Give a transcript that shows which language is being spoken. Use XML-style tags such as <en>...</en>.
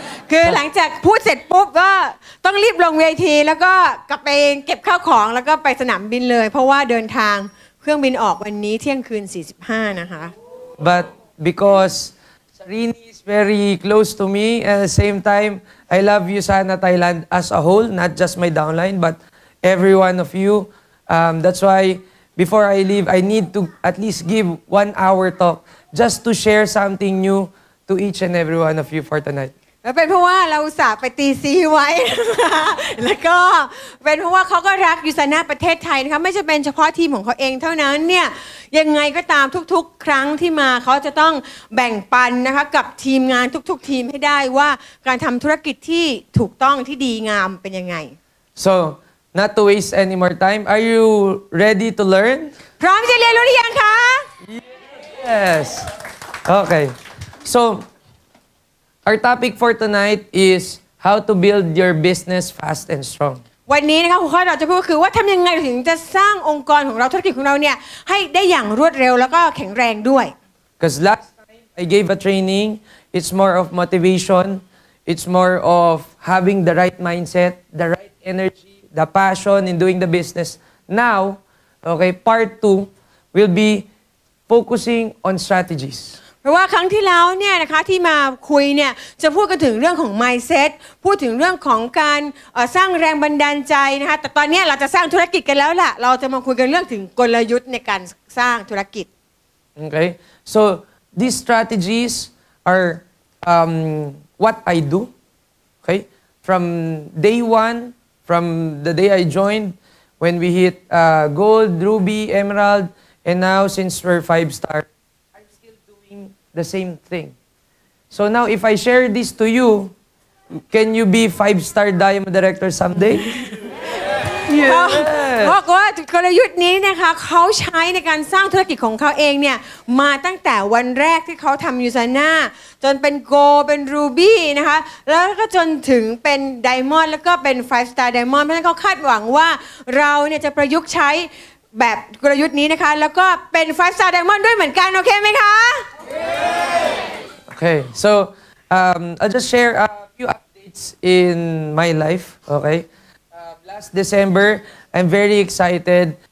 <th>คือหลังจากพูดเสร็จปุ๊บก็ต้องรีบลงเวทีแล้วก็กลับไปเก็บข้าวของแล้วก็ไปสนามบินเลยเพราะว่าเดินทางเครื่องบินออกวันนี้เที่ยงคืน45นะคะ</th> <en>But because Sarini is very close to me at the same time I love you Sana Thailand as a whole not just my downline but every one of you that's why before I leave I need to at least give 1 hour talk just to share something new to each and every one of you for tonight.</en> <th>เป็นเพราะว่าเราอุตส่าห์ไปตีซีไว้แล้วก็เป็นเพราะว่าเขาก็รักยูซานะประเทศไทยนะคะไม่ใช่เป็นเฉพาะทีมของเขาเองเท่านั้นเนี่ยยังไงก็ตามทุกๆครั้งที่มาเขาจะต้องแบ่งปันนะคะกับทีมงานทุกๆทีมให้ได้ว่าการทำธุรกิจที่ถูกต้องที่ดีงามเป็นยังไง</th> <en>So not to waste any more time are you ready to learn</en> <th>พร้อมจะเรียนรู้หรือยังคะ</th> <en>Yes. Okay. So our topic for tonight is how to build your business fast and strong.</en> <th>วันนี้นะคะหัวข้อเราจะพูดคือว่าทำยังไงถึงจะสร้างองค์กรของเราธุรกิจของเราเนี่ยให้ได้อย่างรวดเร็วแล้วก็แข็งแรงด้วย</th> <en>Because last time I gave a training, it's more of motivation, it's more of having the right mindset, the right energy, the passion in doing the business. Now, okay, part two will be. Focusing on strategies.</en> <th>เพราะว่าครั้งที่แล้วเนี่ยนะคะที่มาคุยเนี่ยจะพูดกันถึงเรื่องของ mindset พูดถึงเรื่องของการสร้างแรงบันดาลใจนะคะแต่ตอนนี้เราจะสร้างธุรกิจกันแล้วล่ะเราจะมาคุยกันเรื่องถึงกลยุทธ์ในการสร้างธุรกิจ</th> <en>Okay. So these strategies are what I do. Okay. From day one, from the day I joined, when we hit gold, ruby, emerald. And now, since we're 5-star, I'm still doing the same thing. So now, if I share this to you, can you be 5-star diamond director someday? you.</en> <th>เพราะว่ากลยุทธ์นี้นะคะเขาใช้ในการสร้างธุรกิจของเขาเองเนี่ยมาตั้งแต่วันแรกที่เขาทำยูซาน่าจนเป็นโกลเป็นรูบี้นะคะแล้วก็จนถึงเป็นไดมอนด์แล้วก็เป็นไฟสตาร์ไดมอนด์เพราะฉะนั้นเขาคาดหวังว่าเราเนี่ยจะประยุกต์ใช้แบบกลยุทธ์นี้นะคะแล้วก็เป็นไฟสตาร์ไดมอนด์ด้วยเหมือนกันโอเคไหมคะ</th> <en>โอเค so I'll just share a few updates in my life okay last December I'm very excited</en>